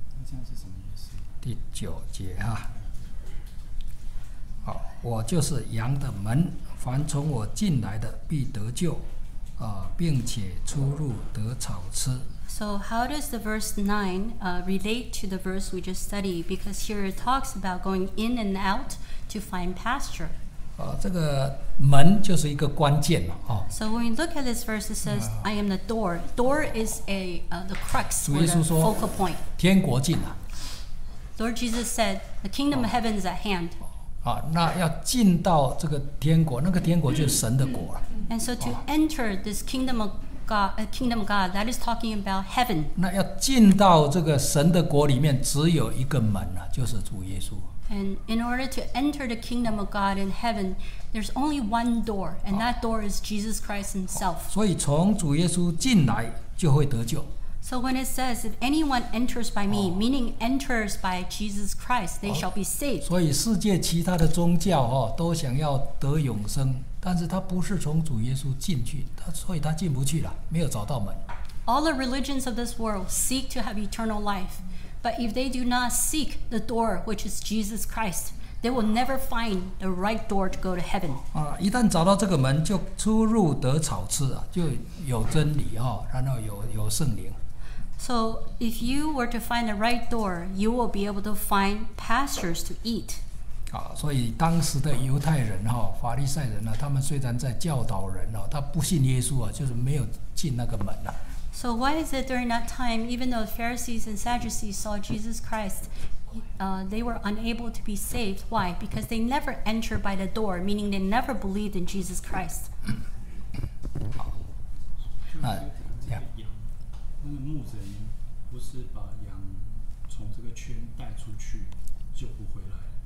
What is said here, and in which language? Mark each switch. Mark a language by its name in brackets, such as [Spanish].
[Chinese] 第九节那里有讲到说出入吃草，那这样是什么意思？第九节啊，我就是羊的门，凡从我进来的必得救，并且出入得草吃。 [English] So how does the verse 9 relate to the verse we just studied? Because here it talks about going in and out to find pasture. [Chinese] 这个门就是一个关键嘛， [English] So when you look at this verse, it says, I am the door. Door is the crux or the focal point. [Chinese] 天国近了。 [English] Lord Jesus said, the kingdom of heaven is at hand. [Chinese] 那要进到这个天国，那个天国就是神的国了。 [English] And so to enter this kingdom of God, a kingdom of God, that is talking about heaven. [Chinese] 那要进到这个神的国里面，只有一个门啊，就是主耶稣。 [English] And in order to enter the kingdom of God in heaven, there's only one door, and that door is Jesus Christ Himself. [Chinese] 所以从主耶稣进来就会得救。 [English] So when it says, if anyone enters by me, meaning enters by Jesus Christ, they shall be saved. [Chinese] 所以世界其他的宗教哦，都想要得永生。但是他不是从主耶稣进去，所以他进不去了，没有找到门。 [English] All the religions of this world seek to have eternal life, but if they do not seek the door which is Jesus Christ, they will never find the right door to go to heaven. [Chinese] 一旦找到这个门，就出入得草吃啊，就有真理哈，然后有圣灵。 [English] So if you were to find the right door, you will be able to find pastures to eat. [Chinese] 所以当时的犹太人哈，法利赛人呢，他们虽然在教导人哦，他不信耶稣啊，就是没有进那个门呐。 [English] So why is it during that time, even though Pharisees and Sadducees saw Jesus Christ, they were unable to be saved? Why? Because they never entered by the door, meaning they never believed in Jesus Christ. 那 [Chinese] 羊，那牧人不是把羊从这个圈带出去就不回来？